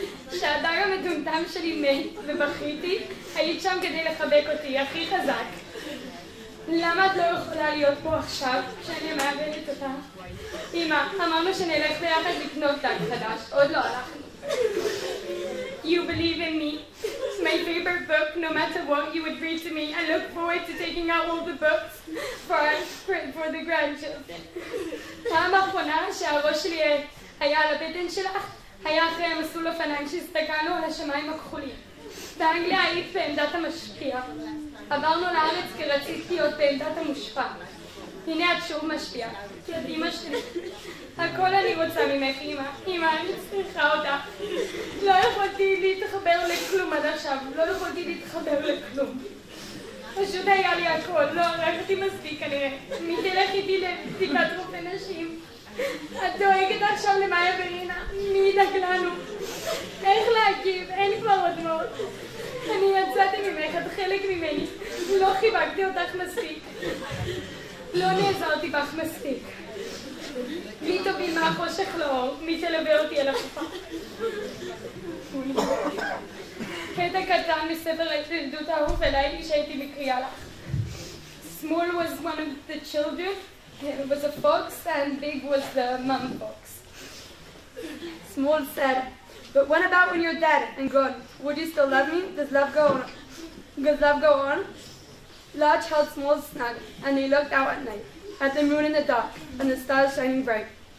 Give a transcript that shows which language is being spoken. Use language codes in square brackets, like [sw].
[he] כשהדג המטומטם שלי מת ובכיתי, היית שם כדי לחבק אותי, הכי חזק. למה את לא יכולה להיות פה עכשיו, כשאני מאבדת אותה? אמא, אמרנו שנלך ביחד לקנות דג חדש, עוד לא הלכנו. [en] You believe in me. My favorite book, no matter what you would read to me, I look forward to taking out all the books for the grandchildren. [he] פעם האחרונה שהראש שלי היה על הבטן שלך, היה אחרי המסלול אופניים שהסתכלנו על השמיים הכחולים. באנגליה היית בעמדת המשפיע. עברנו לארץ כי רציתי להיות בעמדת המושפע. הנה את שוב משפיע, כי את אמא שלי. הכל אני רוצה ממך, אמא. אמא, אני צריכה אותך. לא יכולתי להתחבר לכלום עד עכשיו. לא יכולתי להתחבר לכלום. פשוט היה לי הכל. לא, רק אותי מספיק כנראה. מי תלך איתי לבדיקת רופא נשים? את דואגת עכשיו למאיה ורינה, מי ידאג לנו? איך להגיב? אין כבר עוד מאוד. אני יצאתי ממך, את חלק ממני. לא חיבקתי אותך מספיק. לא נעזרתי בך מספיק. מי תביא מהחושך לאור? מי תלווה אותי אל החופה? קטע קטן מספר הילדות האהוב אליי כשהייתי מקריאה לך. [en] Small was one of the children. It was a fox, and big was the mum fox. Small said, but what about when you're dead and gone? Would you still love me? Does love go on? Does love go on? Large held Small snug, and they looked out at night, at the moon in the dark, and the stars shining bright.